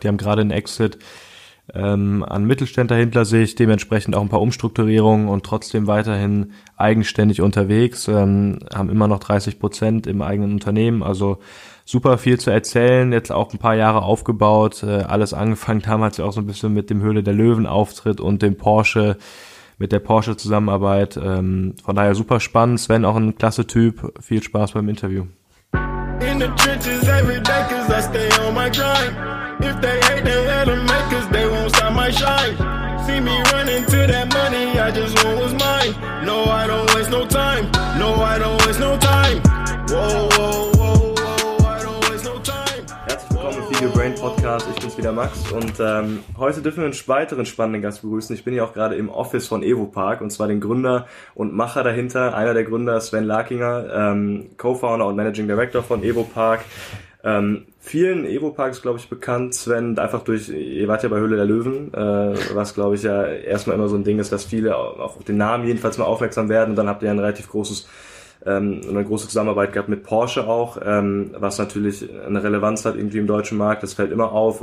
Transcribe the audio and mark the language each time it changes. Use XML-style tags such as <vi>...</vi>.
<de>Die haben gerade einen Exit an Mittelständler hinter sich, dementsprechend auch ein paar Umstrukturierungen und trotzdem weiterhin eigenständig unterwegs, haben immer noch 30% im eigenen Unternehmen, also super viel zu erzählen, jetzt auch ein paar Jahre aufgebaut, alles angefangen damals ja auch so ein bisschen mit dem Höhle der Löwen-Auftritt und dem Porsche, mit der Porsche-Zusammenarbeit, von daher super spannend. Sven auch ein klasse Typ, viel Spaß beim Interview.</de> <en>In the trenches every day, cause I stay on my grind. If they hate, they hate them, make, cause they won't stop my shine. See me running to that money, I just want what's mine. No, I don't waste no time. No, I don't waste no time. Whoa, whoa, whoa, whoa, I don't waste no time.</en> <de>Herzlich willkommen im Video Brain Podcast. Ich bin's wieder, Max. Und heute dürfen wir einen weiteren spannenden Gast begrüßen. Ich bin ja auch gerade im Office von Evopark, und zwar den Gründer und Macher dahinter. Einer der Gründer, Sven Larkinger, Co-Founder und Managing Director von Evopark. Vielen Evopark ist, glaube ich, bekannt, Sven, einfach durch, ihr wart ja bei Höhle der Löwen, was, glaube ich, ja erstmal immer so ein Ding ist, dass viele auf den Namen jedenfalls mal aufmerksam werden. Und dann habt ihr ja ein relativ großes, eine große Zusammenarbeit gehabt mit Porsche auch, was natürlich eine Relevanz hat irgendwie im deutschen Markt, das fällt immer auf.</de>